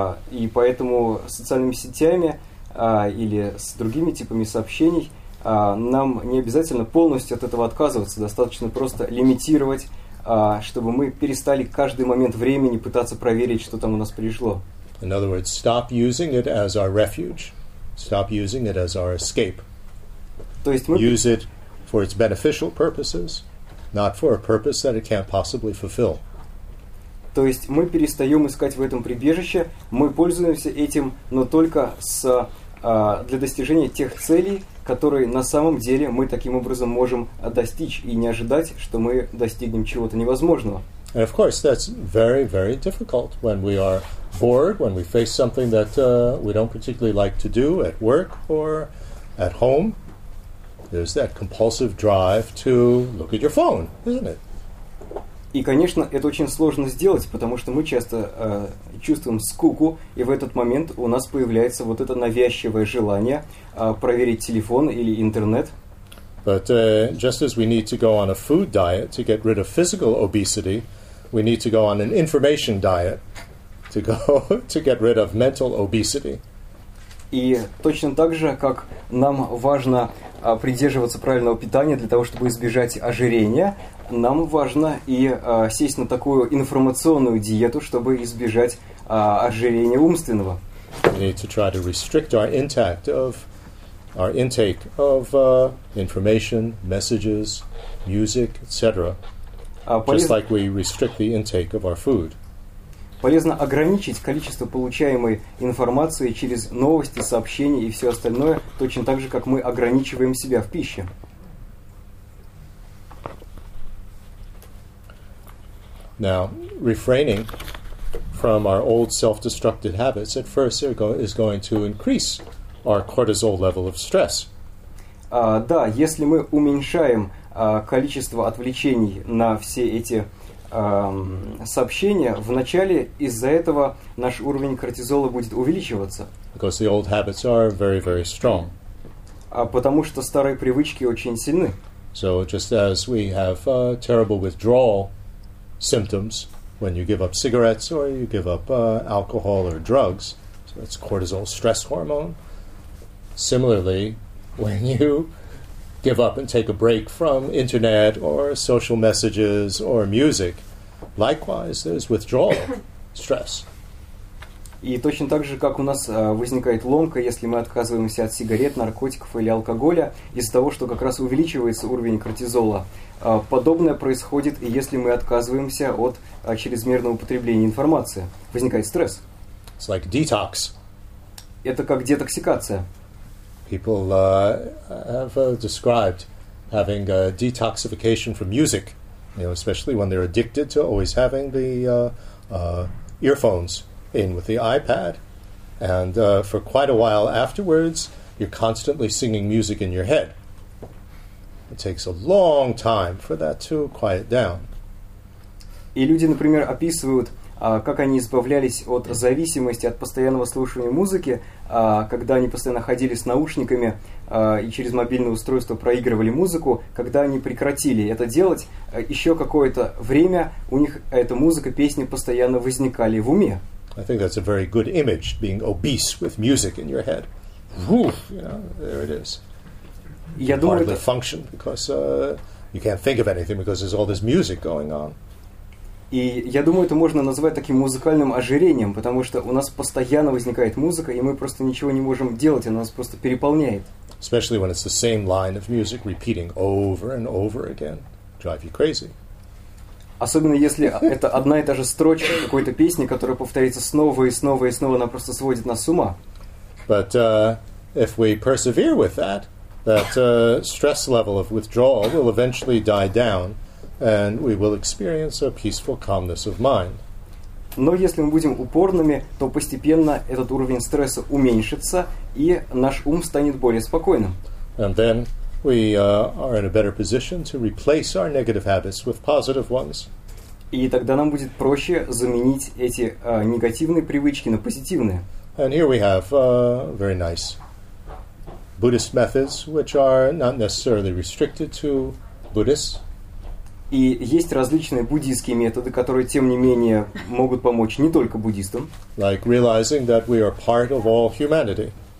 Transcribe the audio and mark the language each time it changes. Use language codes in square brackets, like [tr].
[ru] И поэтому социальными сетями или с другими типами сообщений нам не обязательно полностью от этого отказываться, достаточно просто лимитировать, чтобы мы перестали каждый момент времени пытаться проверить, что там у нас пришло. [en] In other words, stop using it as our refuge. Stop using it as our escape. [ru] То есть мы... [en] Use it for its beneficial purposes, not for a purpose that it can't possibly fulfill. [ru] То есть мы перестаем искать в этом прибежище, мы пользуемся этим, но только с, для достижения тех целей, которые на самом деле мы таким образом можем достичь и не ожидать, что мы достигнем чего-то невозможного. [en] And of course, that's very, very difficult when we are bored, when we face something that we don't particularly like to do at work or at home. There's that compulsive drive to look at your phone, isn't it? [ru] И, конечно, это очень сложно сделать, потому что мы часто чувствуем скуку, и в этот момент у нас появляется вот это навязчивое желание проверить телефон или интернет. [en] But just as we need to go on a food diet to get rid of physical obesity, we need to go on an information diet to go to get rid of mental obesity. [ru] И точно так же, как нам важно придерживаться правильного питания для того, чтобы избежать ожирения, нам важно и сесть на такую информационную диету, чтобы избежать ожирения умственного. [en] We need to try to restrict our intake of information, messages, music, etc. Just like we restrict the intake of our food. [ru] Полезно ограничить количество получаемой информации через новости, сообщения и все остальное, точно так же, как мы ограничиваем себя в пище. [en] Now, refraining from our old self-destructive habits at first is going to increase our cortisol level of stress. [ru] Да, если мы уменьшаем количество отвлечений на все эти сообщения, вначале из-за этого наш уровень кортизола будет увеличиваться. [en] Because the old habits are very, very strong. [ru] Потому что старые привычки очень сильны. [en] So just as we have terrible withdrawal symptoms when you give up cigarettes or you give up alcohol or drugs, so that's cortisol stress hormone. Similarly, when you give up and take a break from internet or social messages or music, likewise, there's withdrawal stress. [ru] И точно так же, как у нас возникает ломка, если мы отказываемся от сигарет, наркотиков или алкоголя, из-за того, что как раз увеличивается уровень кортизола, подобное происходит, если мы отказываемся от чрезмерного употребления информации. Возникает стресс. [en] It's like detox. [ru] Это как детоксикация. [en] People have described having a detoxification from music, you know, especially when they're addicted to always having the earphones in with the iPad. And for quite a while afterwards, you're constantly singing music in your head. It takes a long time for that to quiet down. [ru] И люди, например, описывают, как они избавлялись от зависимости от постоянного слушания музыки, когда они постоянно ходили с наушниками и через мобильное устройство проигрывали музыку, когда они прекратили это делать, еще какое-то время у них эта музыка, песни постоянно возникали в уме. [en] I think that's a very good image, being obese with music in your head. Whew, you know, there it is. Hardly function because you can't think of anything because there's all this music going on. [ru] И я думаю, это можно назвать таким музыкальным ожирением, потому что у нас постоянно возникает музыка, и мы просто ничего не можем делать, она нас просто переполняет. [en] Especially when it's the same line of music repeating over and over again, drive you crazy. [ru] Особенно если это одна и та же строчка какой-то песни, которая повторится снова и снова и снова, она просто сводит нас с ума. [en] But if we persevere with that, that stress level of withdrawal will eventually die down, and we will experience a peaceful calmness of mind. [ru] Но если мы будем упорными, то постепенно этот уровень стресса уменьшится, и наш ум станет более спокойным. [en] And then we are in a better position to replace our negative habits with positive ones. [ru] И тогда нам будет проще заменить эти негативные привычки на позитивные. [en] And here we have very nice Buddhist methods, which are not necessarily restricted to Buddhists. [ru] И есть различные буддийские методы, которые, тем не менее, могут помочь не только буддистам. [en] Like realizing that we are part of all humanity.